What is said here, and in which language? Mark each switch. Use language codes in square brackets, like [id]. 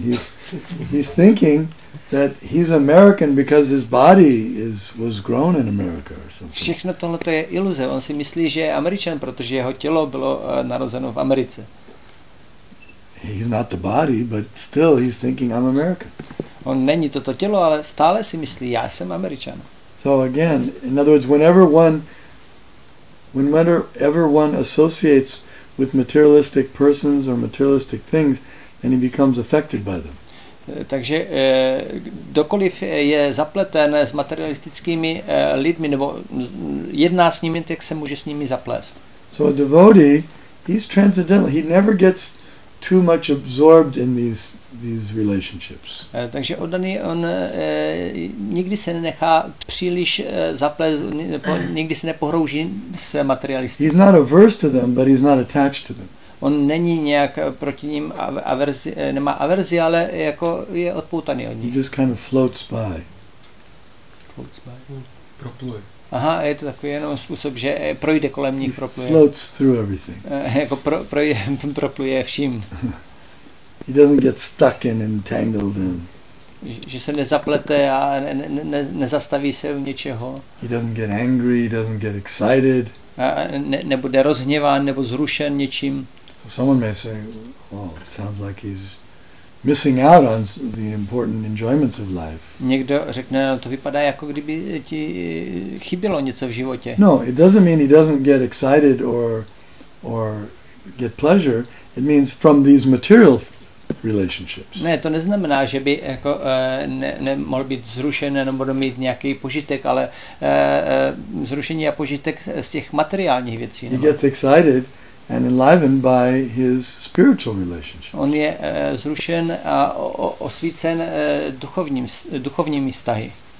[en] He's thinking that he's American because his body was grown in America or something. [cs] Všechno tohle to je iluze. On si myslí, že je Američan, protože jeho tělo bylo narozeno v Americe. [en] He's not the body, but still he's thinking I'm American. [cs] On není toto tělo, ale stále si myslí, já jsem Američan. [en] So again, in other words, whenever one associates with materialistic persons or materialistic things, then he becomes affected by them. [cs] Takže kdokoliv je zapleten s materialistickými lidmi nebo jedná s nimi, tak se může s nimi zaplést. [en] So a devotee, he's transcendental. He never gets too much absorbed in these relationships. [cs] Takže oddaný, on nikdy se nenechá příliš zaplést, nikdy se nepohrouží s materialisty. [en] He's not averse to them, but he's not attached to them. [cs] On není nějak proti ním averzi, nemá averzi, ale jako je odpoutaný od nich. [en] He just kind of floats by. Floats by. [cs] Propluje. Aha, je to takový jenom způsob, že projde kolem nich, propluje. [en] He floats through everything. [cs] Jako propluje vším. [en] He doesn't get stuck and entangled in. [cs] Že se nezaplete a nezastaví se u něčeho. [en] He doesn't get angry, he doesn't get excited. [cs] Nebude rozhněván nebo zrušen něčím. [en] Someone may say, "Oh, sounds like he's missing out on the important enjoyments of life. [cs] Někdo řekne, no, to vypadá jako kdyby ti chybělo něco v životě. [en] No, it doesn't mean he doesn't get excited or get pleasure. It means from these material relationships. [cs] Ne, to neznamená, že by jako nemohl být zrušen nebo mít nějaký požitek, ale zrušení a požitek z těch materiálních věcí. [en] He gets excited and enlivened by his spiritual relationships. [cs] On je zrušen a osvícen duchovními vztahy.